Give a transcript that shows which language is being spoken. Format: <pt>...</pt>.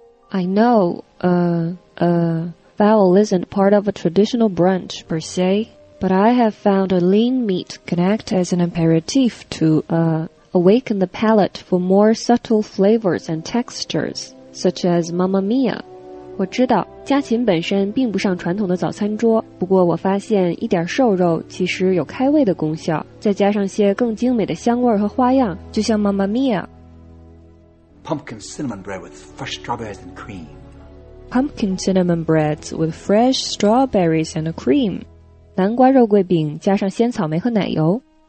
<en>I know fowl isn't part of a traditional brunch per se, but I have found a lean meat can act as an aperitif to awaken the palate for more subtle flavors and textures, such as Mamma Mia.</en> <zh>我知道家禽本身并不上传统的早餐桌，不过我发现一点瘦肉其实有开胃的功效，再加上些更精美的香味和花样，就像 Mamma Mia.</zh> <en>Pumpkin cinnamon bread with fresh strawberries and cream. Pumpkin cinnamon bread with fresh strawberries and cream.</en> <zh>南瓜肉桂饼加上鲜草莓和奶油。</zh>